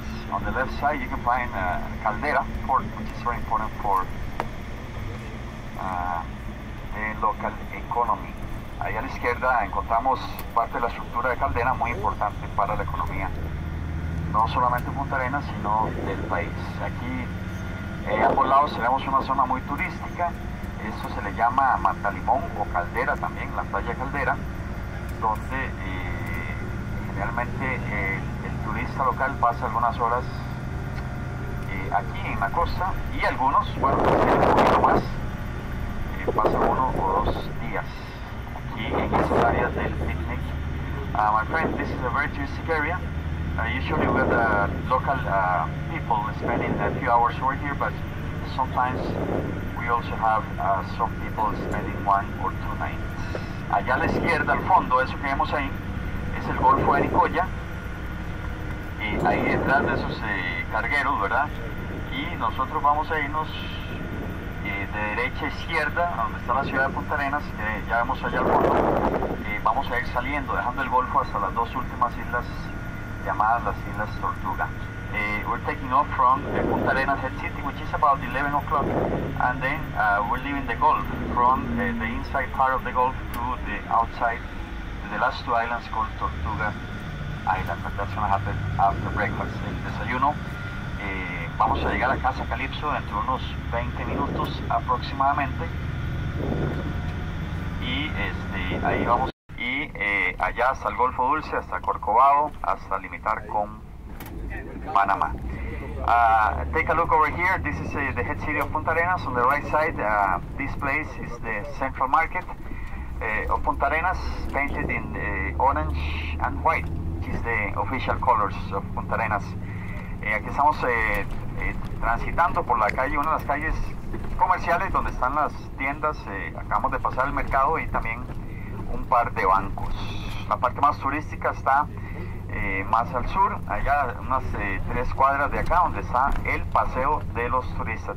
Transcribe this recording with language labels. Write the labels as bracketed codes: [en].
[en] On the left side, you can find a caldera port, which is very important for the local economy. [es] Allá a la izquierda encontramos parte de la estructura de caldera, muy importante para la economía. No solamente Punta Arenas, sino del país. Aquí, a ambos lados, tenemos una zona muy turística. Eso se le llama Matalimón o caldera también, la playa caldera, donde generalmente turista local pasa algunas horas aquí en la costa y algunos, bueno, un poquito más, pasa 1 o 2 días aquí en esas áreas del picnic. [en] My friend, this is a very touristic area. Usually we have the local people spending a few hours over here, but sometimes we also have some people spending one or two nights. [es] Allá a la izquierda, al fondo, eso que vemos ahí, es el Golfo de Nicoya. Y ahí detrás de esos cargueros, ¿verdad? Y nosotros vamos a irnos de derecha a izquierda, donde está la ciudad de Punta Arenas, que ya vemos allá al fondo. Vamos a ir saliendo, dejando el Golfo hasta las dos últimas islas llamadas las Islas Tortuga. We're taking off from Punta Arenas Head City, which is about 11 o'clock, and then we're leaving the Gulf from the inside part of the Gulf to the outside, to the last two islands called Tortuga Island, but that's going to happen after breakfast. El desayuno, vamos a llegar a casa Calypso dentro de unos 20 minutos aproximadamente, y ahí vamos, y allá hasta el Golfo Dulce, hasta Corcovado, hasta limitar con Panama. [en] Take a look over here. This is the head city of Punta Arenas. On the right side, this place is the central market of Punta Arenas, painted in orange and white, which is the official colors of Punta Arenas. [es] Aquí estamos transitando por la calle, una de las calles comerciales donde están las tiendas. Acabamos de pasar el mercado y también un par de bancos. La parte más turística está más al sur, allá unas tres cuadras de acá, donde está el paseo de los turistas.